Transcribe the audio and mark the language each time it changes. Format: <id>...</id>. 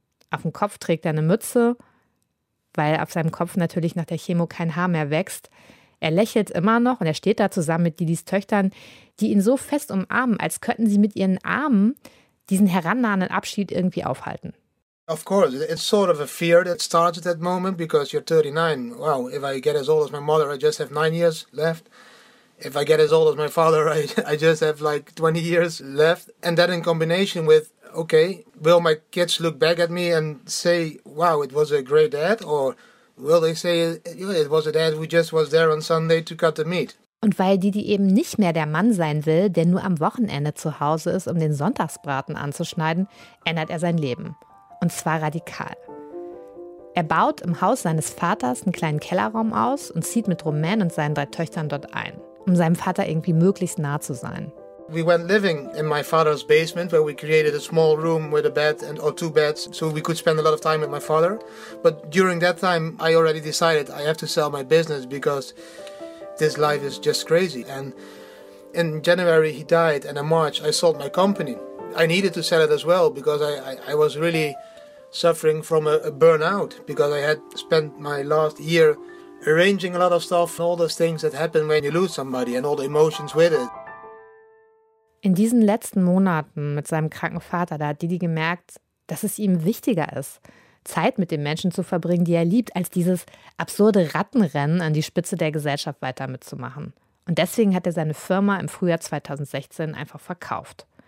<de>Auf dem Kopf trägt er eine Mütze, weil auf seinem Kopf natürlich nach der Chemo kein Haar mehr wächst. Er lächelt immer noch und er steht da zusammen mit Didis Töchtern, die ihn so fest umarmen, als könnten sie mit ihren Armen diesen herannahenden Abschied irgendwie aufhalten.</de> <en>Of course, it's sort of a fear that starts at that moment, because you're 39. Wow, if I get as old as my mother, I just have 9 years left. If I get as old as my father, I just have like 20 years left. And that in combination with, okay, will my kids look back at me and say, wow, it was a great dad? Or will they say, it was a dad who just was there on Sunday to cut the meat?</en> <de>Und weil Didi eben nicht mehr der Mann sein will, der nur am Wochenende zu Hause ist, um den Sonntagsbraten anzuschneiden, ändert er sein Leben. Und zwar radikal. Er baut im Haus seines Vaters einen kleinen Kellerraum aus und zieht mit Romain und seinen 3 Töchtern dort ein, um seinem Vater irgendwie möglichst nah zu sein.</de> <en>We went living in my father's basement, where we created a small room with a bed and or 2 beds, so we could spend a lot of time with my father. But during that time, I already decided I have to sell my business, because this life is just crazy. And in January he died, and in March I sold my company. I needed to sell it as well, because I was really suffering from a burnout, because I had spent my last year arranging a lot of stuff, all those things that happen when you lose somebody and all the emotions with it.</en> <de>In diesen letzten Monaten mit seinem kranken Vater, da hat Didi gemerkt, dass es ihm wichtiger ist, Zeit mit den Menschen zu verbringen, die er liebt, als dieses absurde Rattenrennen an die Spitze der Gesellschaft weiter mitzumachen. Und deswegen hat er seine Firma im Frühjahr 2016 einfach verkauft.</de>